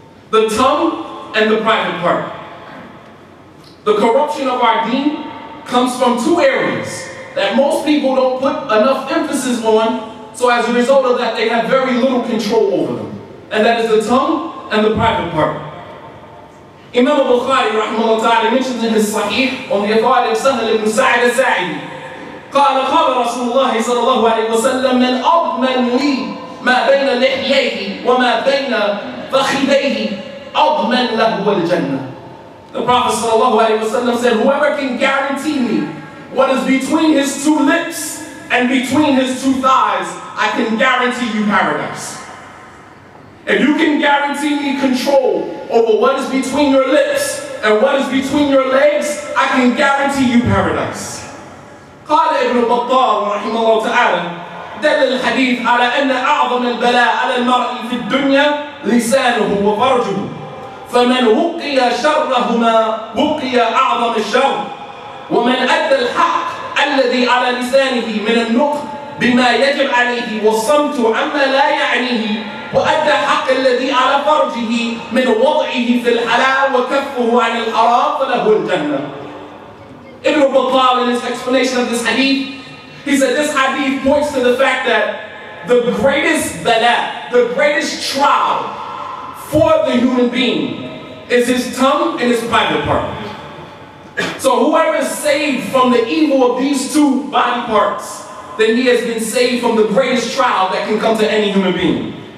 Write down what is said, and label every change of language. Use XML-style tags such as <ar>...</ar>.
<en>The tongue and the private part. The corruption of our deen comes from two areas that most people don't put enough emphasis on, so as a result of that, they have very little control over them. And that is the tongue and the private part. Imam Bukhari, rahimahullah ta'ala, mentions in his Sahih on the authority of Sahal ibn Sa'id al-Sa'id,</en> <ar>قَالَ قَالَ رَسُولُ اللَّهِ صَلَى اللَّهُ عَلَيْهِ وَسَلَّمَ مَنْ أَضْمَنْ لِي مَا بَيْنَ لِحْلَيْهِ وَمَا بَيْنَ فَخِذَيْهِ أَضْمَنْ لَهُ وَالْجَنَّةِ.</ar> <en>The Prophet sallallahu alaihi wasallam said, whoever can guarantee me what is between his two lips and between his two thighs, I can guarantee you paradise. If you can guarantee me control over what is between your lips and what is between your legs, I can guarantee you paradise.</en> <ar>قال ابن بطال رحمه الله تعالى دل الحديث على أن أعظم البلاء على المرء في الدنيا لسانه وفرجه فمن وقي شرهما وقي أعظم الشر ومن أدى الحق الذي على لسانه من النطق بما يجب عليه والصمت عما لا يعنيه وأدى الحق الذي على فرجه من وضعه في الحلال وكفه عن الحرام فله الجنة.</ar> <en>Ibn Battal, in his explanation of this hadith, he said this hadith points to the fact that the greatest bala, the greatest trial for the human being is his tongue and his private part. So whoever is saved from the evil of these two body parts, then he has been saved from the greatest trial that can come to any human being.</en>